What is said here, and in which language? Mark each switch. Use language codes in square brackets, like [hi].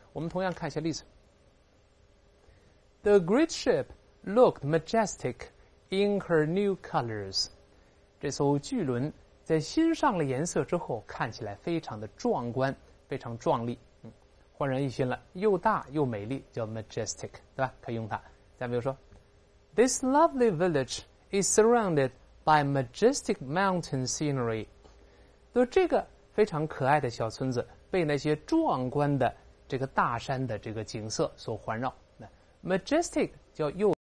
[zh] 我们同样看一下例子 [en] ：The great ship looked majestic in her new colors。 [zh] 这艘巨轮在新上了颜色之后，看起来非常的壮观，非常壮丽，焕然一新了，又大又美丽，叫 majestic， 对吧？可以用它。再比如说 [en] ，This lovely village is surrounded by majestic mountain scenery。 [zh] 就这个非常可爱的小村子，被那些壮观的这个大山的这个景色所环绕。 majestic 叫又。